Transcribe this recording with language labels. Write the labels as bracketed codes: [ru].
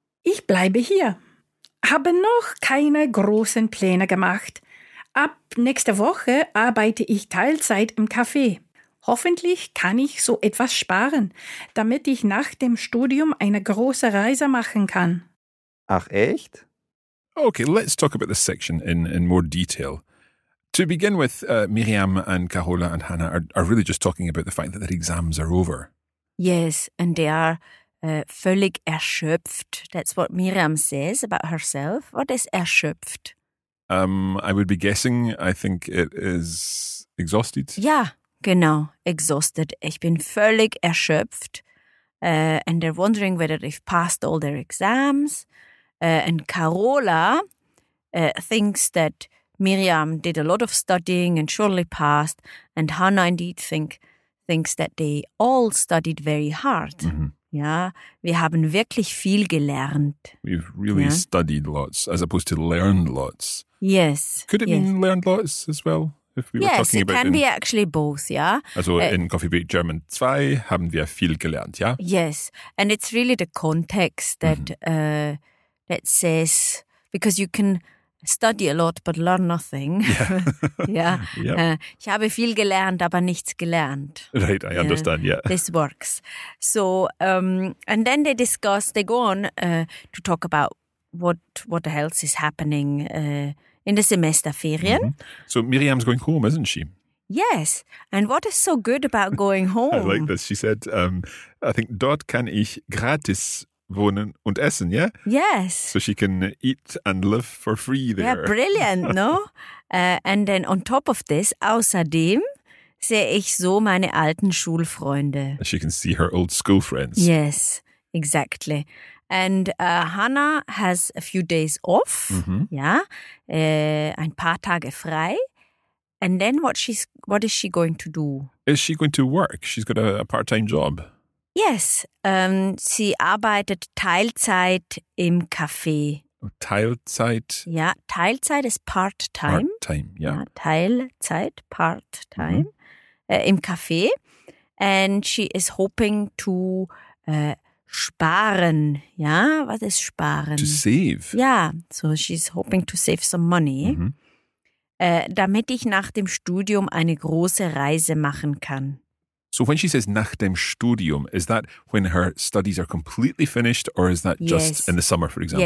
[de] Ich bleibe hier. Habe noch keine großen Pläne gemacht. Ab nächster Woche arbeite ich Teilzeit im Café. Hoffentlich kann ich so etwas sparen, damit ich nach dem Studium eine große Reise machen kann. Ach echt? [en] Okay, let's talk about this section in more detail. To begin with, Miriam and Carola and Hannah are really just talking about the fact that their exams are over. Yes, and they are [de] völlig erschöpft. [en] That's what Miriam says about herself. What is erschöpft? I would be guessing, I think it is exhausted. Yeah, genau, exhausted. [de] Ich bin völlig erschöpft. [en] And they're wondering whether they've passed all their exams. And Carola thinks that Miriam did a lot of studying and surely passed. And Hannah indeed thinks that they all studied very hard. Mm-hmm. [de] Yeah, wir haben wirklich viel gelernt. [en] We've really studied lots as opposed to learned lots. Yes. Could it mean learned lots as well? If we were talking about it can be actually both, yeah. [de] Also in Coffee Break German 2 haben wir viel gelernt, yeah? [en] Yes, and it's really the context that... Mm-hmm. That says, because you can study a lot but learn nothing. Yeah. Yeah. Yep. [de] Ich habe viel gelernt, aber nichts gelernt. [en] Right, I understand, yeah. This works. So, and then they discuss, they go on to talk about what the hell is happening in the Semesterferien. Mm-hmm. So Miriam's going home, isn't she? Yes. And what is so good about going home? I like this. She said, I think, [de] dort kann ich gratis wohnen und essen, [en] yeah? Yes. So she can eat and live for free there. Yeah, brilliant, no? And then on top of this, [de] außerdem sehe ich so meine alten Schulfreunde. [en] She can see her old school friends. Yes, exactly. And Hannah has a few days off, mm-hmm. [de] Yeah, ein paar Tage frei. [en] And then what is she going to do? Is she going to work? She's got a part-time job. [de] Yes, sie arbeitet Teilzeit im Café. Teilzeit? Ja, Teilzeit ist part-time. [en] Part-time, yeah. Ja. [de] Teilzeit, part-time, mm-hmm. Im Café. [en] And she is hoping to sparen. [de] Ja, was ist sparen? [en] To save. Ja, so she's hoping to save some money. Mm-hmm. [de] Damit ich nach dem Studium eine große Reise machen kann. [en] So when she says nach dem Studium, is that when her studies are completely finished or is that just in the summer, for example?